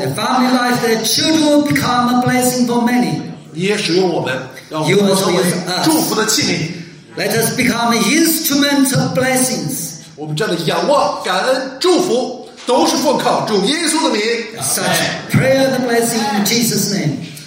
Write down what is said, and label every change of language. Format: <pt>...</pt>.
<en>The family life, their children will become a blessing for many.</en> <zh>你也使用我们，让我们成为祝福的器皿。</zh> <en>Let us become an instrument of blessings.</en> <zh>我们这样的仰望、感恩、祝福。都是奉靠主耶稣的名。</zh> <en>Such prayer and blessing in Jesus' name.</en>